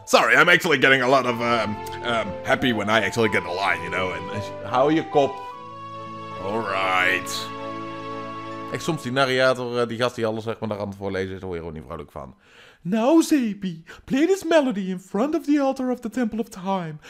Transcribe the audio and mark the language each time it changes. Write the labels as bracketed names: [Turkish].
[English] Sorry, I'm actually getting a lot of, happy when I actually get the line, you know, and... [Dutch] Hou je kop. [English] Alright. [Dutch] Ik soms die narrator, die gast die alles zeg maar daar aan het voorlezen, daar hoor je er ook niet vrolijk van. [English] Now, Zeepy, play this melody in front of the altar of the Temple of Time.